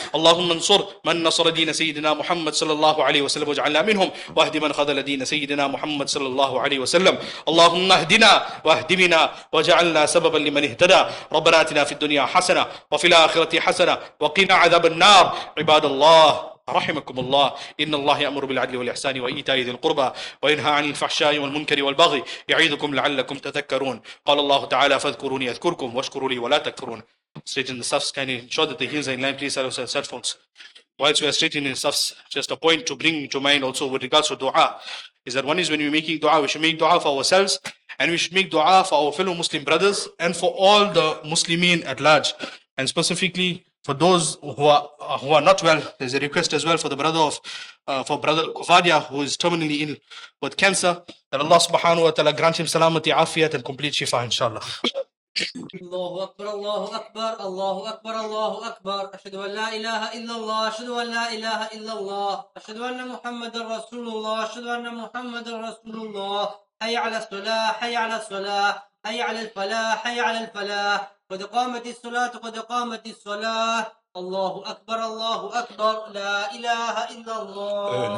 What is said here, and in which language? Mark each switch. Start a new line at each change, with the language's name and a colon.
Arabic: اللهم انصر من نصر دين سيدنا محمد صلى الله عليه وسلم واجعلنا منهم واهد من خذل دين سيدنا محمد صلى الله عليه وسلم اللهم اهدنا واهدمنا واجعلنا سببا لمن اهتدى ربنا آتنا في الدنيا حسنة وفي الآخرة حسنة وقنا عذاب النار عباد الله رحمكم الله إن الله يأمر بالعدل والإحسان وإيتاء ذي القربى وينهى عن الفحشاء والمنكر والبغي يعيذكم لعلكم تذكرون قال الله تعالى فاذكروني أذكركم واشكروا لي ولا تكفرون
English: Straight in the Safs, can you ensure that the heels are in line, please, have cell phones. Whilst we are straightening in the Safs, just a point to bring to mind also with regards to dua, is that one is when we're making dua, we should make dua for ourselves, and we should make dua for our fellow Muslim brothers, and for all the Muslimin at large, and specifically for those who are not well. There's a request as well for the brother of, for brother Kufadia, who is terminally ill with cancer, that Allah subhanahu wa ta'ala grant him salamati, afiyat, and complete shifa, inshallah.
Arabic: الله أكبر الله أكبر الله أكبر الله أكبر أشهد أن لا إله إلا الله أشهد أن لا إله إلا الله أشهد أن محمد رسول الله أشهد أن محمد رسول الله حي على الصلاة حي على الصلاة حي على الفلاح حي على الفلاح قد قامت الصلاة قد قامت الصلاة الله أكبر الله أكبر لا إله إلا الله